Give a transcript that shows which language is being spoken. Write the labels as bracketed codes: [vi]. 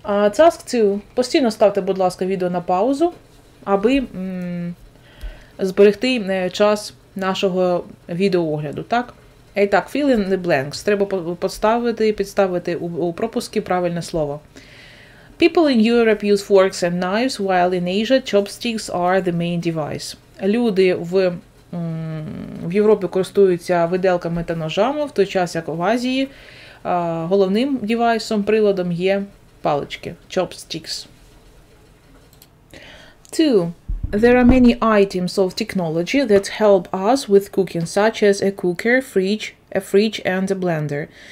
[en] Task 2. [uk] Постійно ставте, будь ласка, відео на паузу, аби зберегти час нашого відеоогляду, так? І так, [en] fill in the blanks. [uk] Треба підставити у пропуски правильне слово. [en] People in Europe use forks and knives, while in Asia chopsticks are the main device. [uk] Люди в Європі користуються виделками та ножами, в той час, як в Азії, головним девайсом, приладом є палички, chopsticks. 2. [en] There are many items of technology that help us with cooking, such as a cooker, a fridge and a blender.